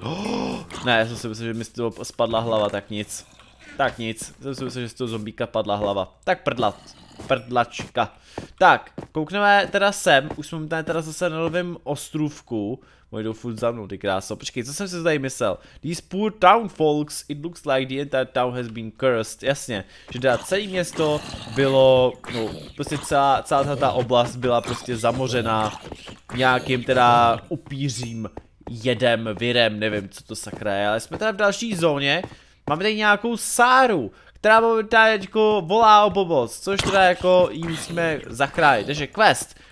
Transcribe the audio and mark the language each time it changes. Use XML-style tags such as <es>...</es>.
<cs>Oh, ne, já jsem si myslel, že mi to spadla hlava, tak nic. Tak nic, jsem si myslel, že z toho zombíka padla hlava. Tak prdlačka. Tak, koukneme teda sem, už jsme tady teda zase na novém ostrůvku. Moje jdou furt za mnou, ty kráso. Počkej, co jsem si tady myslel?</cs> <en>These poor town folks, it looks like the entire town has been cursed.</en> <cs>Jasně, že teda celé město bylo, no, prostě celá ta oblast byla prostě zamořena nějakým teda upířím jedem, virem, nevím, co to sakra je. Ale jsme teda v další zóně, máme tady nějakou Sáru, která momentálně jako volá o pomoc, což teda jako jí musíme zachránit, takže quest.</cs>